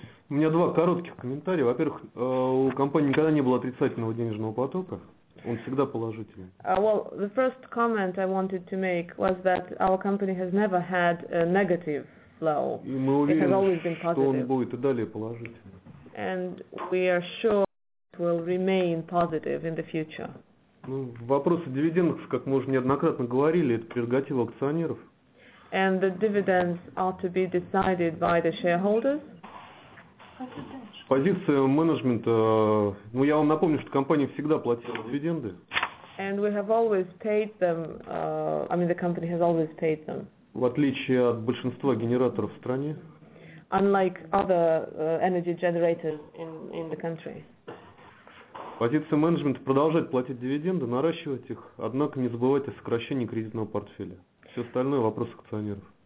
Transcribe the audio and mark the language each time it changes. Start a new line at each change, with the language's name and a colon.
Russian: У меня два коротких комментария. Во-первых, у компании никогда не было отрицательного денежного потока. Он всегда положительный.
English: Well, the first comment I wanted to make was that our company has never had a negative flow.
Russian: И мы уверены,
English: it has always been positive.
Russian: Что он будет и далее положительным.
English: And we are sure it will remain positive in the future.
Russian: Ну, вопрос о дивидендах, как мы уже неоднократно говорили, это прерогатива акционеров.
English: And the dividends are to be decided by the shareholders.
Russian: Позиция менеджмента, ну я вам напомню, что компания всегда платила дивиденды.
English: And we have always paid them, I mean the company has always paid them.
Russian: В отличие от большинства генераторов в стране.
English: Unlike other energy generators in the country.
Russian: Позиция менеджмента продолжать платить дивиденды, наращивать их, однако не забывать о сокращении кредитного портфеля. Все остальное вопрос акционеров.